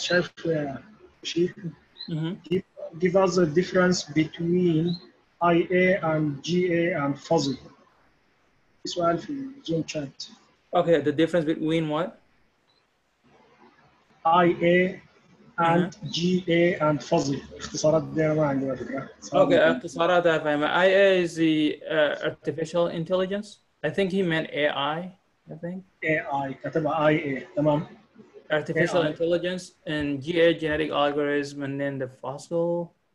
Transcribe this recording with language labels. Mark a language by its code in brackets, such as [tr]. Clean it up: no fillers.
[ar] شايف شيء [en] give us a difference between IA and GA and fuzzy. This one from Zoom chat. Okay, the difference between what? IA and GA and fuzzy. [ar] اختصارات دي ما عندي فكرة. [en] Okay, [ar] اختصارات فاهمة. [en] IA is the artificial intelligence. I think he meant AI. I think. [ar] AI. كتب IA. تمام. [en] Artificial AI. Intelligence and GA genetic algorithm and then the fuzzy.